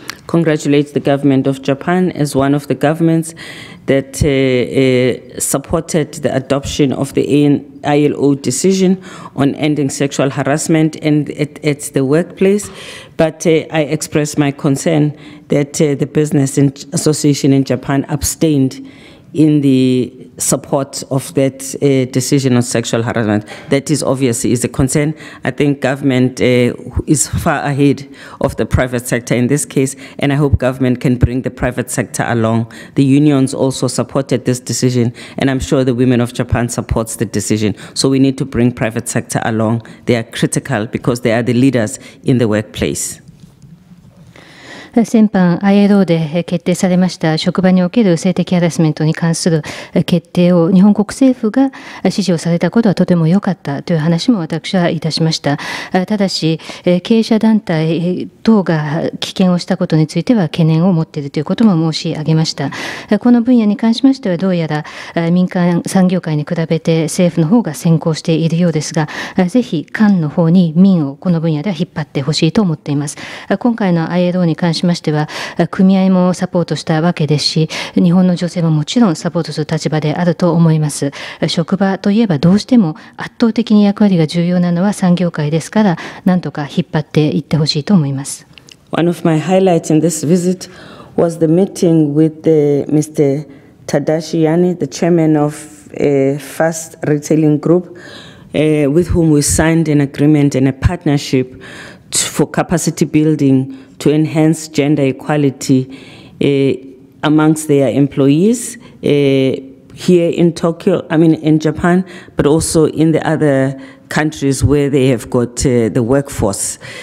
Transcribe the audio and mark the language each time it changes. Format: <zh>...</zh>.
<en>Congratulate the government of Japan as one of the governments that supported the adoption of the ILO decision on ending sexual harassment at the workplace. But I express my concern that the Business Association in Japan abstained in the support of that decision on sexual harassment. That is obviously is a concern. I think government is far ahead of the private sector in this case, and I hope government can bring the private sector along. The unions also supported this decision, and I'm sure the women of Japan supports the decision. So we need to bring private sector along. They are critical because they are the leaders in the workplace.</en> <ja>先般 ILO で決定されました職場における性的ハラスメントに関する決定を日本国政府が支持をされたことはとても良かったという話も私はいたしました。ただし経営者団体等が棄権をしたことについては懸念を持っているということも申し上げました。この分野に関しましてはどうやら民間産業界に比べて政府の方が先行しているようですが、ぜひ官の方に民をこの分野では引っ張ってほしいと思っています。今回の ILO に関ししましては組合もサポートしたわけですし、日本の女性ももちろんサポートする立場であると思います。職場といえばどうしても圧倒的に役割が重要なのは産業界ですから、なんとか引っ張っていってほしいと思います。</ja> <en>One of my highlights in this visit was the meeting with the Mr. Tadashi Yane, the chairman of a fast retailing group, with whom we signed an agreement and a partnership for capacity building to enhance gender equality amongst their employees here in Tokyo, I mean in Japan, but also in the other countries where they have got the workforce.</en>